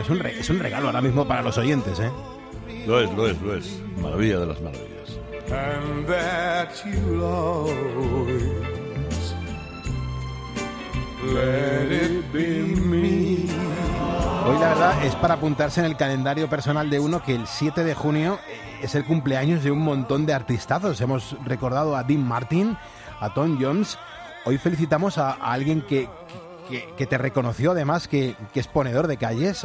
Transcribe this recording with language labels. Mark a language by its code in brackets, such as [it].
[es] Es un regalo ahora mismo para los oyentes, ¿eh? Lo es. Maravilla de las maravillas. [en] And that you'll always let it be me. [es] Hoy, la verdad, es para apuntarse en el calendario personal de uno, que el 7 de junio es el cumpleaños de un montón de artistazos. Hemos recordado a Dean Martin, a Tom Jones. Hoy felicitamos a alguien que te reconoció, además, que es ponedor de calles.